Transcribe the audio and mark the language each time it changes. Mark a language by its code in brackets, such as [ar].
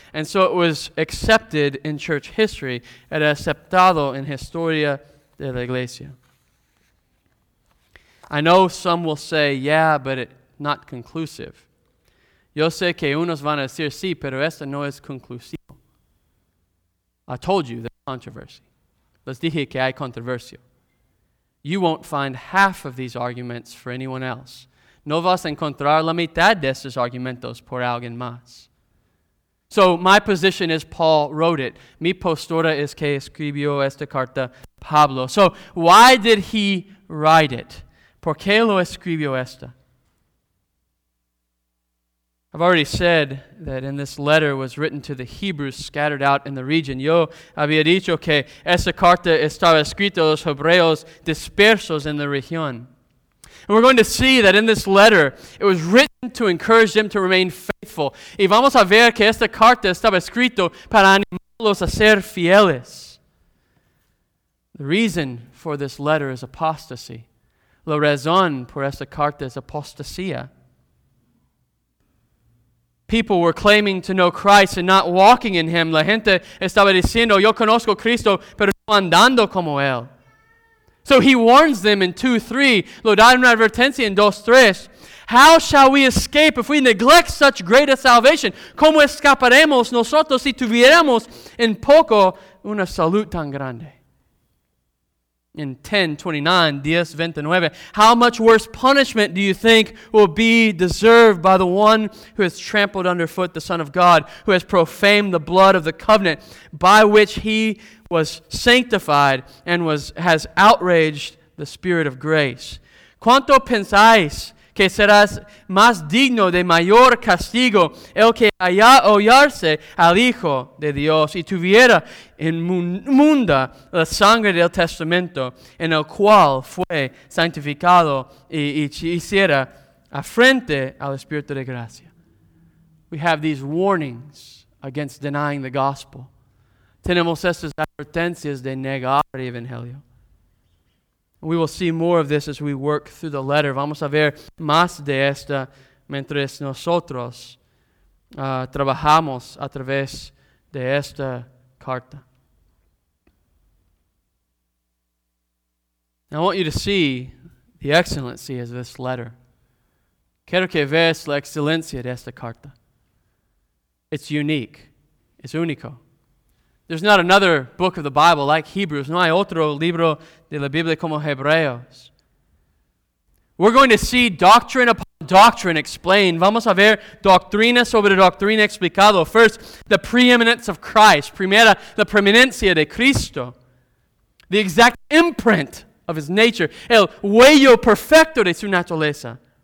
[en] And so it was accepted in church history, [es] era aceptado en historia de la iglesia. [en] I know some will say, yeah, but it's not conclusive. [es] Yo sé que unos van a decir sí, pero esto no es conclusivo. [en] I told you there's controversy. [es] Les dije que hay controversia. [en] You won't find half of these arguments for anyone else. [es] No vas a encontrar la mitad de esos argumentos por alguien más. [en] So my position is Paul wrote it. [es] Mi postura es que escribió esta carta Pablo. [en] So why did he write it? [es] ¿Por qué lo escribió esta? [en] I've already said that in this letter was written to the Hebrews scattered out in the region. [es] Yo había dicho que esa carta estaba escrita a los Hebreos dispersos en la región. [en] And we're going to see that in this letter, it was written to encourage them to remain faithful. [es] Y vamos a ver que esta carta estaba escrita para animarlos a ser fieles. [en] The reason for this letter is apostasy. [es] La razón por esta carta es apostasía. [en] People were claiming to know Christ and not walking in Him. [es] La gente estaba diciendo, yo conozco Cristo, pero no andando como Él. [en] So he warns them in 2:3, [es] lo da una advertencia en 2:3. [en] How shall we escape if we neglect such great a salvation? [es] ¿Cómo escaparemos nosotros si tuviéramos en poco una salud tan grande? [en] In 10:29, how much worse punishment do you think will be deserved by the one who has trampled underfoot the Son of God, who has profaned the blood of the covenant by which he was sanctified and has outraged the Spirit of grace? [es] ¿Cuánto pensáis que serás más digno de mayor castigo el que haya hollarse al Hijo de Dios y tuviera inmunda la sangre del testamento en el cual fue santificado y hiciera afrente al Espíritu de Gracia? [en] We have these warnings against denying the gospel. Tenemos estas advertencias de negar el Evangelio. We will see more of this as we work through the letter. [es] Vamos a ver más de esta mientras nosotros trabajamos a través de esta carta. [en] Now, I want you to see the excellency of this letter. [es] Quiero que veas la excelencia de esta carta. [en] It's unique. It's único. There's not another book of the Bible like Hebrews. [es] No hay otro libro de la Biblia como Hebreos. [en] We're going to see doctrine upon doctrine explained. [es] Vamos a ver doctrina sobre doctrina explicado. [en] First, the preeminence of Christ. [es] Primera, la preeminencia de Cristo. [en] The exact imprint of His nature. [es] El huello perfecto de su naturaleza.